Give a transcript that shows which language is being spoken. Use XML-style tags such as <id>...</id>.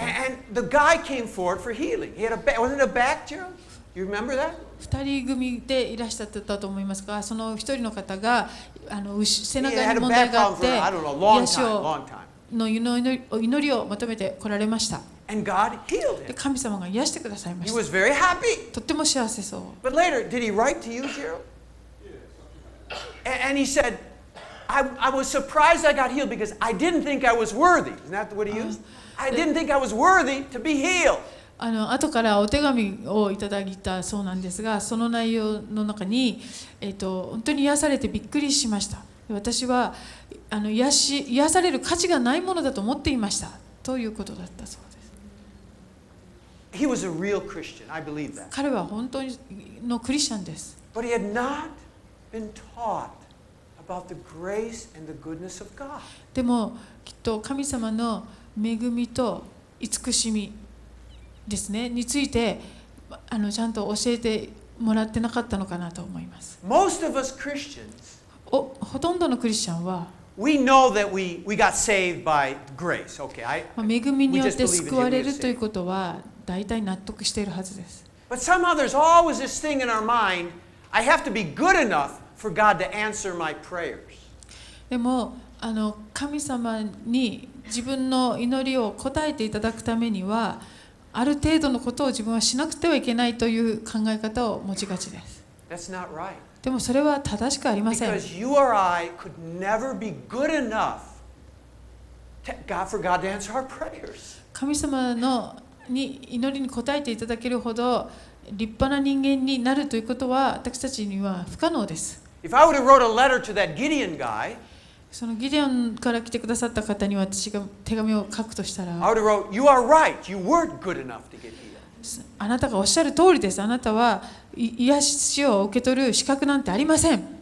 <en>And the guy came forward for healing. He had a back, wasn't it a back, Gerald? You remember that?</en> <ja>2人組でいらっしゃったと思いますが、その1人の方が背中に問題があって、癒しをの祈りをまとめて来られました。で神様が癒してくださいました。</ja> <en>He was very happy.</en> <ja>とっても幸せそう。</ja> <en>But later, did he write to you, Gerald? And he said, I was surprised I got healed because I didn't think I was worthy. Isn't that what he used? I didn't think I was worthy to be healed.</en> <ja>後からお手紙をいただいたそうなんですが、その内容の中に、本当に癒されてびっくりしました。私は癒される価値がないものだと思っていましたということだったそうです。</ja> <en>He was a real Christian. I believe that.</en> <ja>彼は本当のクリスチャンです。</ja> <en>But he had not been taught about the grace and the goodness of God.</en> <ja>でもきっと神様の恵みと慈しみですね、についてちゃんと教えてもらってなかったのかなと思います。</ja> <en>Most of us Christians,</en> <ja>ほとんどのクリスチャンは、</ja> <en>we know that we got saved by grace. Okay,</en> <ja>恵みによって救われるということは大体納得しているはずです。</ja> <en>But somehow there's always this thing in our mind, I have to be good enough for God to answer my prayers.</en> <ja>でも神様に自分の祈りを答えていただくためには、ある程度のことを自分はしなくてはいけないという考え方を持ちがちです。</ja> <en>That's not right.</en> <ja>でもそれは正しくありません。</ja> <en>Because you or I could never be good enough for God to answer our prayers.</en> <ja>神様のに祈りに応えていただけるほど立派な人間になるということは私たちには不可能です。</ja> <en>If I would have wrote a letter to that Gideon guy,</en> <ja>そのギデオンから来てくださった方に私が手紙を書くとしたら、あなたがおっしゃる通りです。あなたは癒しを受け取る資格なんてありません。</ja>